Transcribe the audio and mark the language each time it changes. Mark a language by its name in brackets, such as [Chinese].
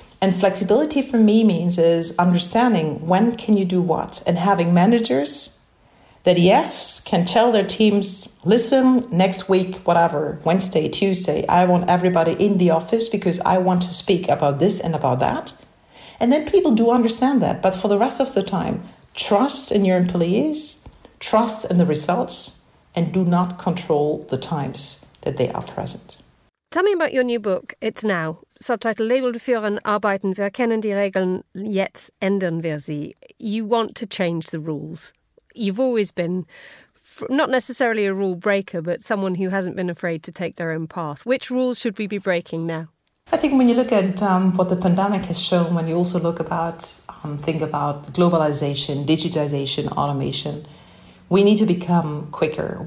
[English] And flexibility for me means is understanding when can you do what and having managers that, yes, can tell their teams, listen, next week, whatever, Wednesday, Tuesday, I want everybody in the office because I want to speak about this and about that. And then people do understand that. But for the rest of the time, trust in your employees, trust in the results, and do not control the times that they are present. Tell me about your new book, It's Now, subtitled Labeled [German] Führen, Arbeiten wir kennen die Regeln, jetzt ändern wir sie. [English] You want to change the rules. You've always been not necessarily a rule breaker, but someone who hasn't been afraid to take their own path. Which rules should we be breaking now? I think when you look at what the pandemic has shown, when you also look about, think about globalization, digitization, automation, we need to become quicker.